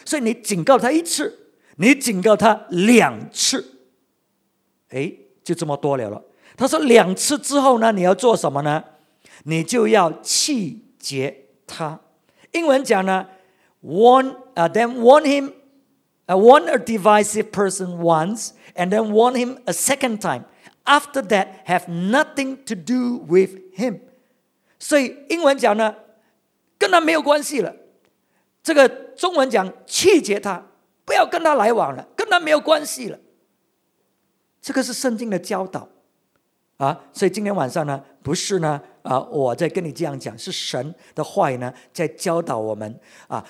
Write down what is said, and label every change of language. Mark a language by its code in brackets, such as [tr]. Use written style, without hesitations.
[zh] 所以你警告他一次，你警告他两次，哎，就这么多了。他说两次之后呢，你要做什么呢？你就要气绝他。英文讲呢 [en] warn a divisive person once and then warn him a second time. After that, have nothing to do with him. [zh] 所以英文讲呢，跟他没有关系了。这个中文讲气绝他，不要跟他来往了，跟他没有关系了。这个是圣经的教导啊，所以今天晚上呢，不是呢啊，我在跟你这样讲，是神的话语呢在教导我们啊。